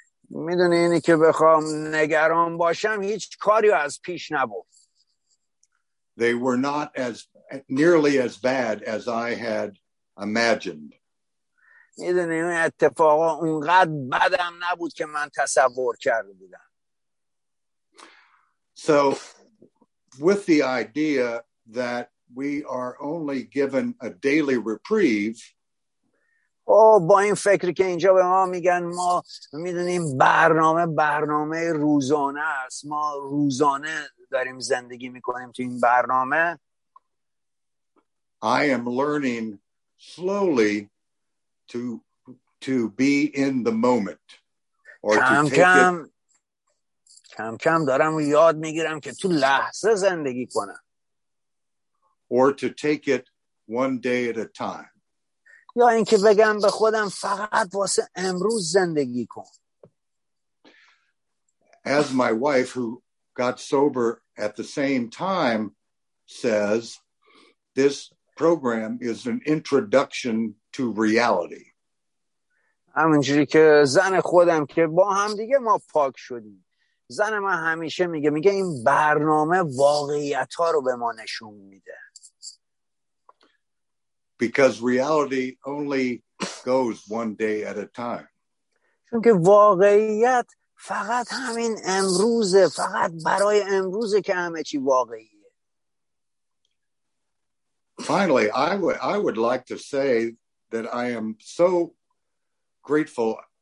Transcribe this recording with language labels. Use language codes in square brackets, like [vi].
[fa] میدونی اینی که بخوام نگران باشم هیچ کاری از پیش نبود. [en] They were not as nearly as bad as I had imagined. [fa] میدونی این اتفاقا اونقدر بدم نبود که من تصور کرده بودم. [en] So with the idea that we are only given a daily reprieve. [fa] با این فکر که اینجا به ما میگن ما میدونیم برنامه روزانه است، ما روزانه داریم زندگی میکنیم تو این برنامه. [en] I am learning slowly to be in the moment or کم to take کم it [fa] کم کم دارم یاد میگیرم که تو لحظه زندگی کنم. [en] Or to take it one day at a time. [fa] یا اینکه بگم به خودم فقط واسه امروز زندگی کن. [en] As my wife who got sober at the same time says, this program is an introduction to reality. [fa] همونجوری که زن خودم که با هم دیگه ما پاک شدیم. زن من همیشه میگه این برنامه واقعیت ها رو به ما نشون میده. [en] Because reality only goes one day at a time. [fa] چون که واقعیت فقط همین امروزه، فقط برای امروزه که همه چی واقعیه. [en] Finally, I would like to say that I am so grateful.